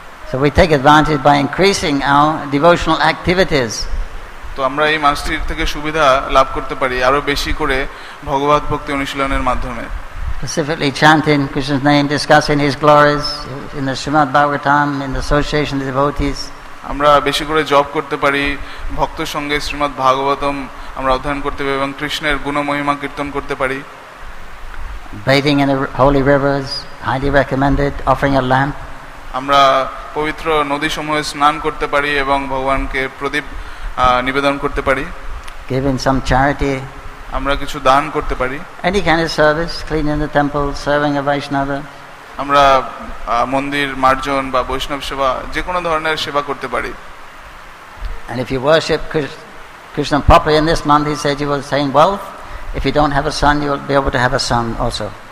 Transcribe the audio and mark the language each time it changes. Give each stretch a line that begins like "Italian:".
English: So we take advantage by increasing our devotional activities.
Bangla: তো আমরা এই মাসটির থেকে সুবিধা লাভ করতে পারি আরো বেশি করে ভগবত ভক্তি অনুশীলনের মাধ্যমে.
English: Specifically chanting Krishna's name, discussing his glories in the Srimad Bhagavatam, in the association of the devotees.
Bangla: আমরা বেশি করে জপ করতে পারি, ভক্ত সঙ্গে শ্রীমদ্ ভাগবতম আমরা অধ্যয়ন করতে পারি এবং কৃষ্ণের গুণ মহিমা কীর্তন করতে পারি.
English: Bathing in the holy rivers, highly recommended, offering a lamp.
Bangla: আমরা পবিত্র নদী সমূহে স্নান করতে পারি এবং ভগবানকে প্রদীপ নিবেদন করতে পারি.
English: Giving some charity.
Bangla: আমরা কিছু দান করতে পারি.
English: Any kind of service, cleaning the temple, serving a Vaishnava.
Bangla: আমরা মন্দির মার্জন বা বৈষ্ণব সেবা, যে কোনো ধরনের সেবা করতে পারি.
English: And if you worship Krishna properly in this month, he said, you will attain wealth. If you don't have a son, you will be able to have a son also.